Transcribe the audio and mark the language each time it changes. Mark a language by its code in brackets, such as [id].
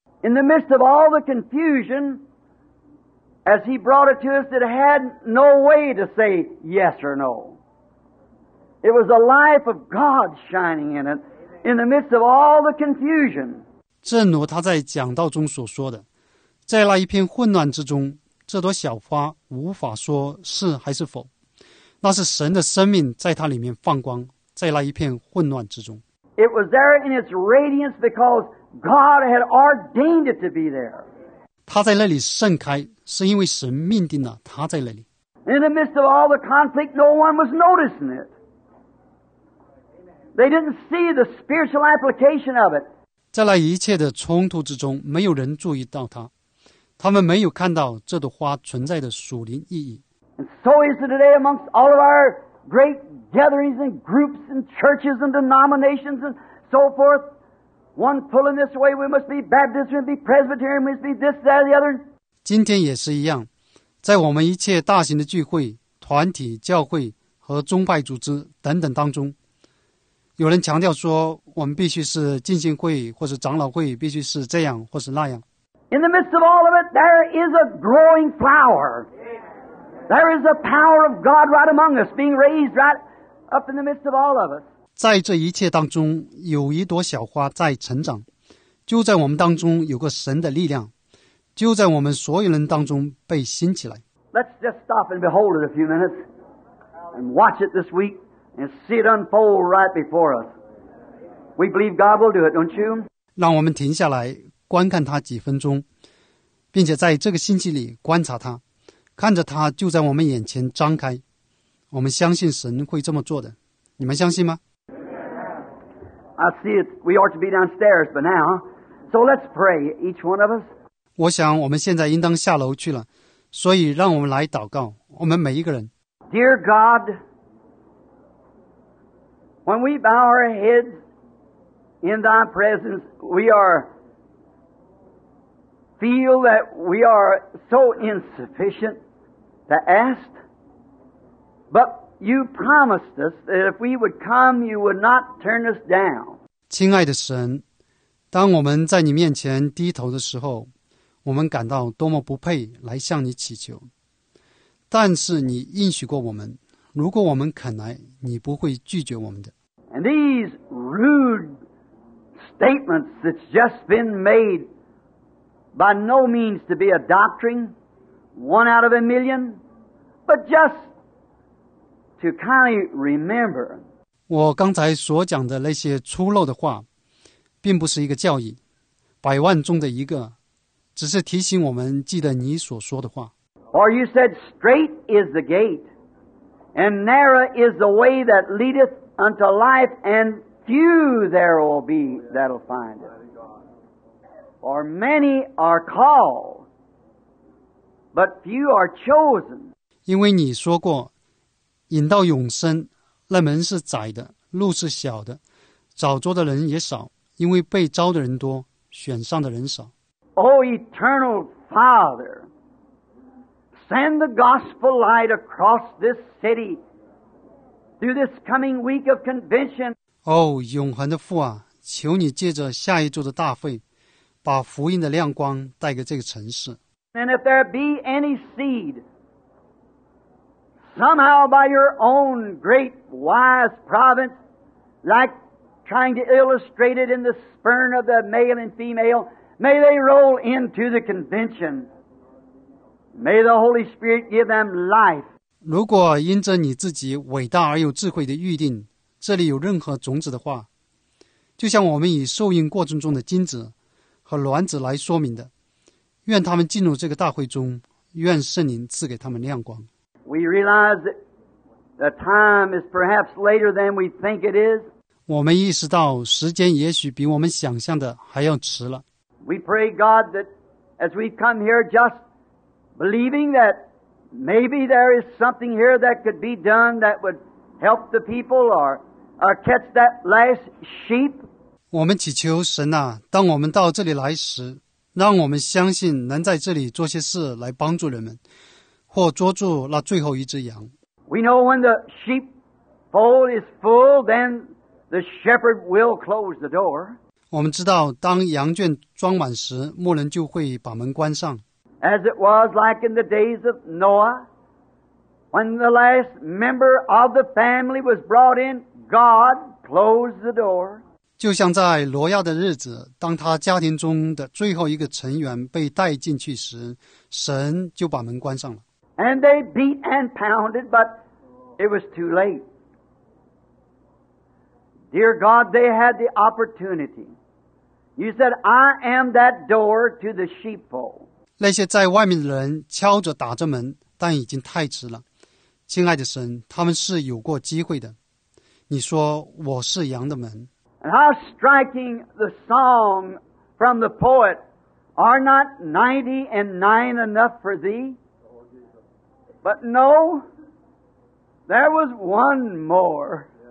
[en] In the midst of all the confusion, as he brought it to us, it had no way to say yes or no. It was the life of God shining in it, in the midst of all the confusion. [zh] 正如他在讲道中所说的，在那一片混乱之中，这朵小花无法说是还是否，那是神的生命在它里面放光，在那一片混乱之中。 [en] It was there in its radiance because God had ordained it to be there. [zh] 他在那里盛开，是因为神命定了他在那里。 [en] In the midst of all the conflict, no one was noticing it. They didn't see the spiritual application of it. [zh] 在那一切的冲突之中，没有人注意到他，他们没有看到这朵花存在的属灵意义。 [en] And so is it today amongst all of our great gatherings and groups and churches and denominations and so forth. One pulling this way, we must be Baptist, we must be Presbyterian, we must be this, that, the other. [zh] 今天也是一样，在我们一切大型的聚会、团体、教会和宗派组织等等当中，有人强调说我们必须是浸信会或是长老会，必须是这样或是那样。 [en] In the midst of all of it, there is a growing flower. There is the power of God right among us, being raised right up in the midst of all of us. [zh] 在这一切当中，有一朵小花在成长，就在我们当中有个神的力量，就在我们所有人当中被兴起来。 [en] Let's just stop and behold it a few minutes and watch it this week and see it unfold right before us. We believe God will do it, don't you? [zh] 让我们停下来观看它几分钟，并且在这个星期里观察它，看着它就在我们眼前张开。我们相信神会这么做的，你们相信吗？ [en] I see it. We ought to be downstairs, but now, so let's pray, each one of us. [zh] 我想我们现在应当下楼去了，所以让我们来祷告，我们每一个人。 [en] Dear God, when we bow our heads in Thy presence, feel that we are so insufficient to ask, but You promised us that if we would come, You would not turn us down. [zh] 亲爱的神，当我们在你面前低头的时候，我们感到多么不配来向你祈求。但是你应许过我们，如果我们肯来，你不会拒绝我们的。 [en] And these rude statements that's just been made by no means to be a doctrine, one out of a million, but just to kindly remember. [zh] 我刚才所讲的那些粗陋的话并不是一个教义，百万中的一个，只是提醒我们记得你所说的话。 [en] For you said, straight is the gate, and narrow is the way that leadeth unto life, and few there will be that'll find it. For many are called, but few are chosen. [zh] 因为你说过引到永生，那门是窄的，路是小的，找着的人也少，因为被招的人多，选上的人少。 [en] O eternal Father, send the gospel light across this city through this coming week of convention. [zh] 哦，永恒的父啊，求你借着下一周的大会，把福音的亮光带给这个城市。 [en] And if there be any seed. Somehow by your own great wise providence, like trying to illustrate it in the spurn of the male and female, may they roll into the convention. May the Holy Spirit give them life. [zh] 如果因着你自己伟大而有智慧的预定，这里有任何种子的话，就像我们以受孕过程中的精子和卵子来说明的，愿他们进入这个大会中，愿圣灵赐给他们亮光。 [en] We realize that the time is perhaps later than we think it is. [zh] 我们意识到时间也许比我们想象的还要迟了。 [en] We pray God that as we come here just believing that maybe there is something here that could be done that would help the people or catch that last sheep. [zh] 我们祈求神啊，当我们到这里来时，让我们相信能在这里做些事来帮助人们，或捉住那最后一只羊。 [en] We know when the sheepfold is full, then the shepherd will close the door. [zh] 我们知道，当羊圈装满时，牧人就会把门关上。 [en] As it was like in the days of Noah, when the last member of the family was brought in, God closed the door. [zh] 就像在挪亚的日子，当他家庭中的最后一个成员被带进去时，神就把门关上了。 [en] And they beat and pounded, but it was too late. Dear God, they had the opportunity. You said, I am that door to the sheepfold. [zh] 那些在外面的人敲着打着门，但已经太迟了。亲爱的神，他们是有过机会的。你说，我是羊的门。 [en] And how striking the song from the poet, Are not 99 enough for thee? But no, there was one more.